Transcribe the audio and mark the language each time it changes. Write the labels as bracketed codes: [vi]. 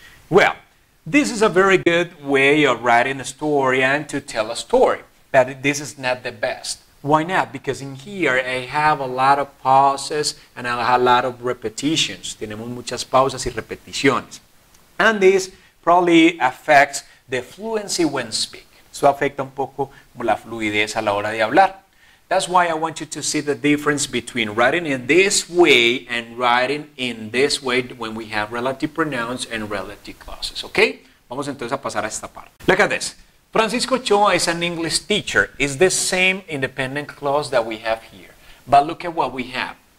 [en] Well, this is a very good way of writing a story and to tell a story. But this is not the best. Why not? Because in here, I have a lot of pauses and I have a lot of repetitions. [es] Tenemos muchas pausas y repeticiones. [en] And this probably affects the fluency when speak. [es] Eso afecta un poco la fluidez a la hora de hablar. [en] That's why I want you to see the difference between writing in this way and writing in this way when we have relative pronouns and relative clauses. Okay? [es] Vamos entonces a pasar a esta parte. [en] Look at this. Francisco Choa is an English teacher. It's the same independent clause that we have here. But look at what we have.